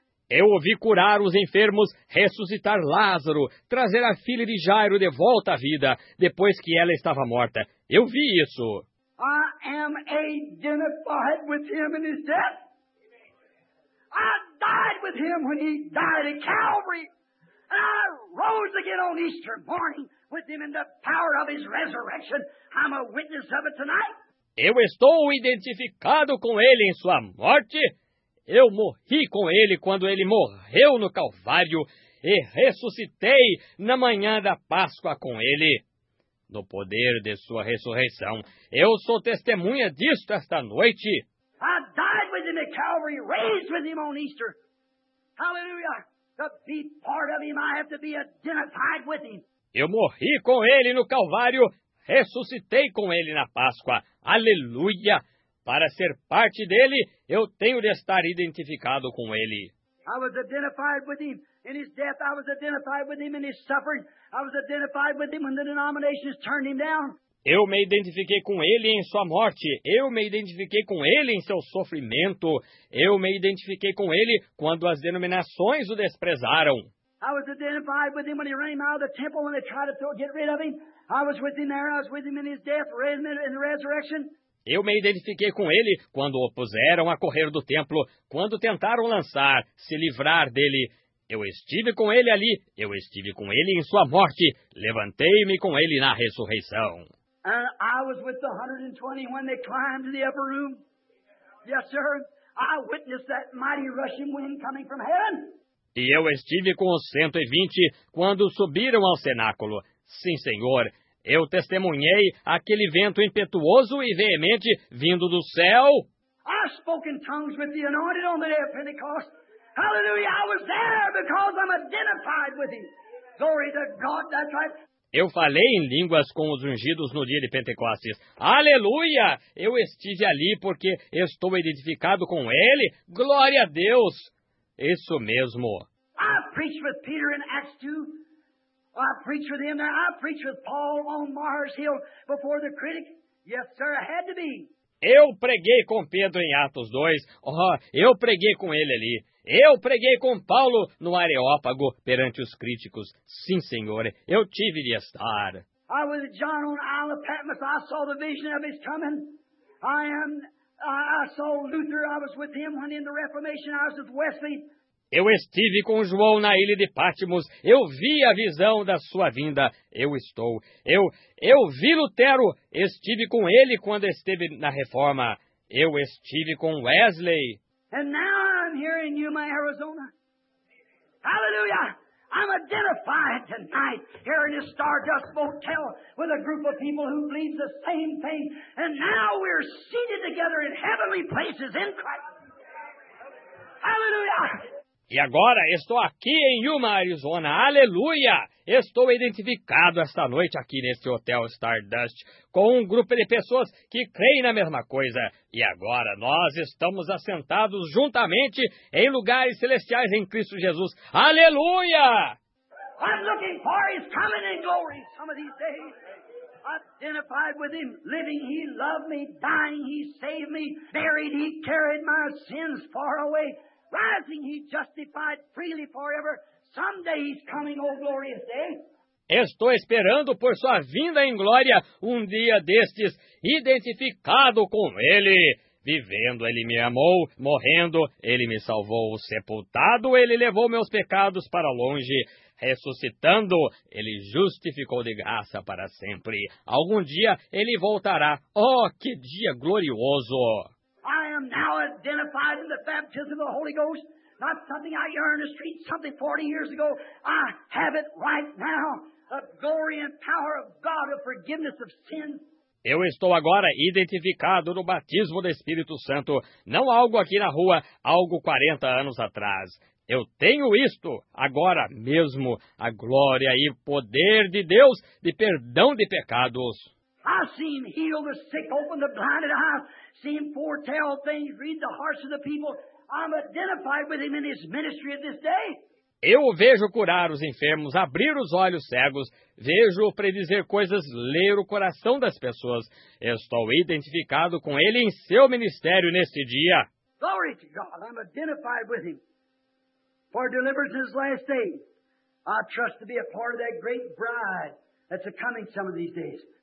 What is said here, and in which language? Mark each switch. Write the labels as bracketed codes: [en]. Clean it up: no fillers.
[pt] Eu ouvi curar os enfermos, ressuscitar Lázaro, trazer a filha de Jairo de volta à vida, depois que ela estava morta. Eu vi isso. [en] I am identified with him in his death. I died with him when he died at Calvary. And I rose again on Easter morning with him in the power of his resurrection. I'm a witness of it tonight. [pt] Eu estou identificado com ele em sua morte. Eu morri com ele quando ele morreu no Calvário e ressuscitei na manhã da Páscoa com ele. No poder de sua ressurreição, eu sou testemunha disto esta noite. [en] I died with him at Calvary, raised with him on Easter. Hallelujah! To be part of him, I have to be identified with him. [pt] Eu morri com ele no Calvário. Ressuscitei com ele na Páscoa. Aleluia! Para ser parte dele, eu tenho de estar identificado com ele. [en] I was identified with him in his death. I was identified with him in his suffering. I was identified with him when the denominations turned him down. [pt] Eu me identifiquei com ele em sua morte. Eu me identifiquei com ele em seu sofrimento. Eu me identifiquei com ele quando as denominações o desprezaram. [en] I was identified with him when he ran him out of the temple when they tried to get rid of him. I was with him there. I was with him in his death, in the resurrection. [pt] Eu me identifiquei com ele quando o puseram a correr do templo, quando tentaram lançar, se livrar dele. Eu estive com ele ali. Eu estive com ele em sua morte. Levantei-me com ele na ressurreição. [en] And I was with the 120 when they climbed to the upper room. Yes, sir. I witnessed that mighty rushing wind coming from heaven. [pt] E eu estive com os 120 quando subiram ao cenáculo. Sim, Senhor, eu testemunhei aquele vento impetuoso e veemente vindo do céu. [en] I spoke in tongues with the anointed on the day of Pentecost. Hallelujah, I was there because I'm identified with him. Glory to God, that's right. [pt] Eu falei em línguas com os ungidos no dia de Pentecostes. Aleluia, eu estive ali porque estou identificado com ele. Glória a Deus. Isso mesmo. [en] I preached with Peter in Acts 2. I preached with him there. I preached with Paul on Mars Hill before the critic. Yes, sir, I had to be. [pt] Eu preguei com Pedro em Atos 2. Oh, eu preguei com ele ali. Eu preguei com Paulo no Areópago perante os críticos. Sim, Senhor, eu tive de estar. [en] I was John on the Isle of Patmos. I saw the vision of his coming. I saw Luther. I was with him when in the Reformation. I was with Wesley. [pt] Eu estive com João na ilha de Patmos. Eu vi a visão da sua vinda. Eu estou. Eu vi Lutero. Estive com ele quando esteve na Reforma. Eu estive com Wesley. [en] And now I'm here in Yuma, Arizona. Hallelujah! I'm identified tonight here in this Stardust Motel with a group of people who believe the same thing. And now we're seated together in heavenly places in Christ. Hallelujah! [pt] E agora estou aqui em Yuma, Arizona. Aleluia! Estou identificado esta noite aqui neste Hotel Stardust com um grupo de pessoas que creem na mesma coisa. E agora nós estamos assentados juntamente em lugares celestiais em Cristo Jesus. Aleluia! [en] I'm looking for his coming in glory some of these days. Identified with him, living he loved me, dying he saved me, buried he carried my sins far away. Rising, he justified freely forever. Someday he's coming, oh glorious day. [pt] Estou esperando por sua vinda em glória um dia destes, identificado com ele. Vivendo, ele me amou. Morrendo, ele me salvou. Sepultado, ele levou meus pecados para longe. Ressuscitando, ele justificou de graça para sempre. Algum dia ele voltará. Oh, que dia glorioso! [en] I am now identified in the baptism of the Holy Ghost. Not something I heard in the street, something 40 years ago. I have it right now. The glory and power of God of forgiveness of sins. [pt] Eu estou agora identificado no batismo do Espírito Santo. Não algo aqui na rua, algo 40 anos atrás. Eu tenho isto agora mesmo. A glória e poder de Deus de perdão de pecados. [en] I see him heal the sick, open the blinded eyes. See him foretell things, read the hearts of the people. I'm identified with him in his ministry of this day. [pt] Eu vejo curar os enfermos, abrir os olhos cegos. Vejo predizer coisas, ler o coração das pessoas. Estou identificado com ele em seu ministério neste dia. [en] Glory to God, I'm identified with him. For deliverance in his last day. I trust to be a part of that great bride that's coming some of these days.